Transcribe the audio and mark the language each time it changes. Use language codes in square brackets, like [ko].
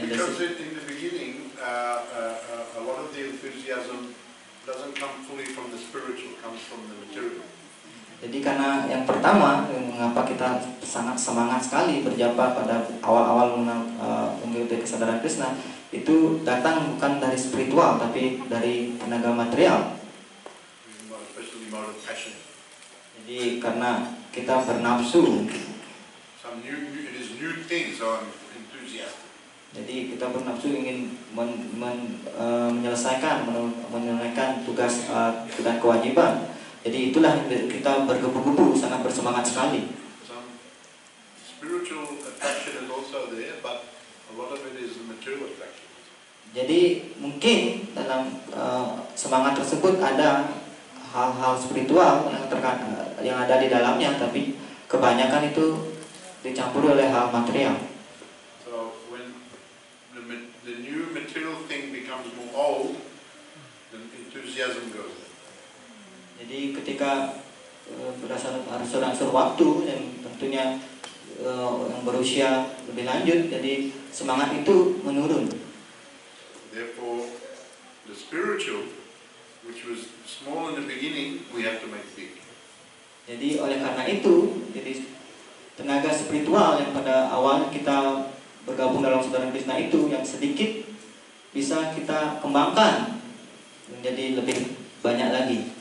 [en] Because in the beginning, a lot of the enthusiasm doesn't come fully from the spiritual, comes from the material. [id] Jadi karena yang pertama, mengapa kita sangat semangat sekali berjapa pada awal-awal mengikuti kesadaran Krishna, itu datang bukan dari spiritual, tapi dari tenaga material. [en] Especially more of passion. [id] Jadi karena kita bernafsu. [en] It is new things, so I'm enthusiastic. [id] Jadi kita bernafsu ingin menunaikan tugas dan kewajiban. Jadi itulah kita bergebu-gebu, sangat bersemangat sekali. [en] Some spiritual attraction is also there, but a lot of it is the material attraction. [id] Jadi mungkin dalam semangat tersebut ada hal-hal spiritual yang ada di dalamnya, tapi kebanyakan itu dicampur oleh hal material. [en] So when the new material thing becomes more old, then enthusiasm goes. [id] Jadi ketika berasal waktu yang tentunya yang berusia lebih lanjut, jadi semangat itu menurun. [en] Therefore, the spiritual, which was small in the beginning, we have to make big. [id] Jadi oleh karena itu, jadi tenaga spiritual yang pada awal kita bergabung dalam saudara Krishna itu yang sedikit, bisa kita kembangkan menjadi lebih banyak lagi.